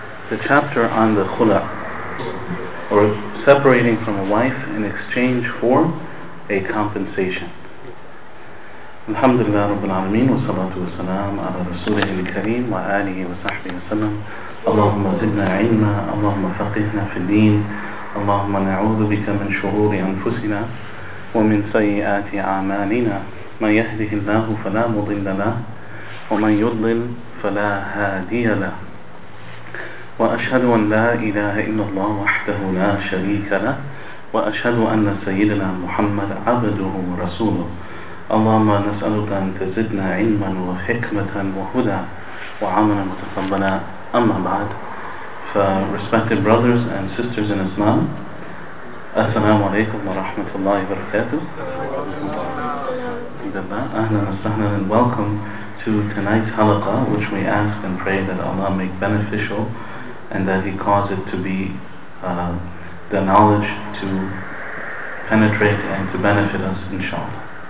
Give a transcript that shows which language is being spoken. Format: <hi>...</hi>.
<en>The chapter on the khula, or separating from a wife in exchange for a compensation.</en> <ar>الحمد لله رب العالمين والصلاة والسلام على رسوله الكريم وآله وصحبه وسلم. اللهم زدنا علما, اللهم فقهنا في الدين, اللهم نعوذ بك من شرور أنفسنا ومن سيئات أعمالنا, من يهده الله فلا مضل له ومن يضلل فلا هادي له, وأشهد أن لا إله إلا الله وحده لا شريك له, وأشهد أن سيدنا محمد عبده ورسوله. اللهم نسألك أن تزدنا علما وحكمة وهدى وعملا متقبلا. أما بعد,</ar> <en>respected brothers and sisters in Islam,</en> <ar>السلام عليكم ورحمة الله وبركاته. أهلا وسهلا</ar> <en>and welcome to tonight's halaqa, which we ask and pray that Allah make beneficial and that He cause it to be the knowledge to penetrate and to benefit us, inshallah.</en>